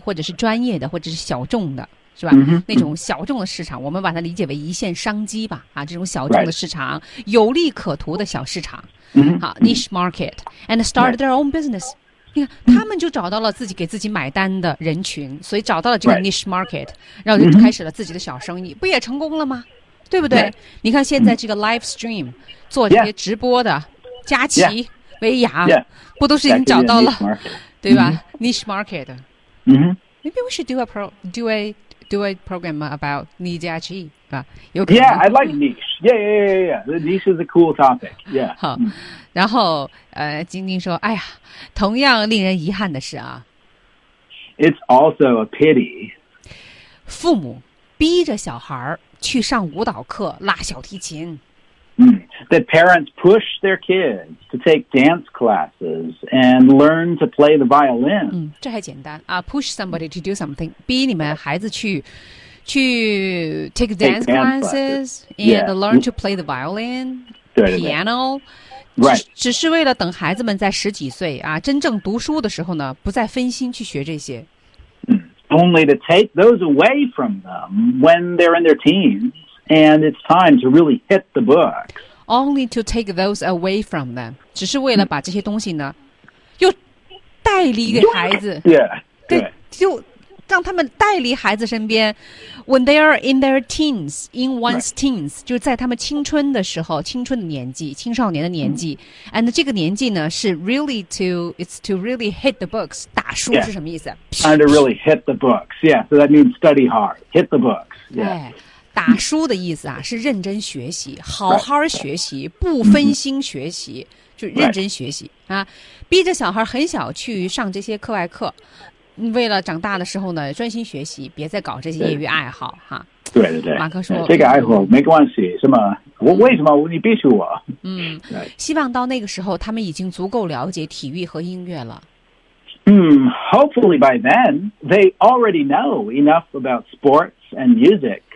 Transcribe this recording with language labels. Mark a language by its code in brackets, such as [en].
[zh] 或者是专业的或者是小众的是吧、 mm-hmm. 那种小众的市场，我们把它理解为一线商机吧，啊，这种小众的市场、right. 有利可图的小市场、 mm-hmm. 好 [en] niche market and started their own business、 right. [zh] 你看，他们就找到了自己给自己买单的人群，所以找到了这个 niche market、 [en] right. [zh] 然后就开始了自己的小生意、mm-hmm. 不也成功了吗？对不对、 [en] right. [zh] 你看现在这个 live stream 做这些直播的佳琪、 [en] yeah. [zh] 薇娅、 [en] yeah. [zh] 不都是已经找到了对吧、 mm-hmm. [en] niche market、 mm-hmm. Maybe we should do a program about Ni Jia Qi. Yeah, I like niche. Yeah, yeah, yeah, yeah. The niche is a cool topic. Yeah. [zh] 好，然后晶晶说，哎呀，同样令人遗憾的是啊。 [en] It's also a pity. [zh] 父母逼着小孩去上舞蹈课，拉小提琴。 [en] That parents push their kids to take dance classes and learn to play the violin. [zh] 嗯，这还简单啊 [en] ，push somebody to do something， [zh] 逼你们孩子去 [en] take dance classes and learn to play the violin, piano. [zh] 只是为了等孩子们在十几岁啊，真正读书的时候呢，不再分心去学这些。 [en] Only to take those away from them when they're in their teens. And it's time to really hit the books. Only to take those away from them. [zh] 只是为了把这些东西呢，又带离给孩子。 [en] Yeah. [zh] 对，就让他们带离孩子身边。 [en] When they are in their teens, in one's teens, [zh] 就在他们青春的时候，青春的年纪，青少年的年纪。 [en] And [zh] 这个年纪呢，是 [en] really to, it's to really hit the books. [zh] 打书是什么意思？ [en] Time to really hit the books. Yeah. So that means study hard. Hit the books. Yeah. [zh] 打书的意思啊，是认真学习，好好学习，不分心学习，就认真学习啊。逼着小孩很小去上这些课外课，为了长大的时候呢，专心学习，别再搞这些业余爱好哈。对对对，马克说这个爱好没关系，是吗？我为什么你逼着我？希望到那个时候，他们已经足够了解体育和音乐了。 [en] Hopefully by then they already know enough about sports and music.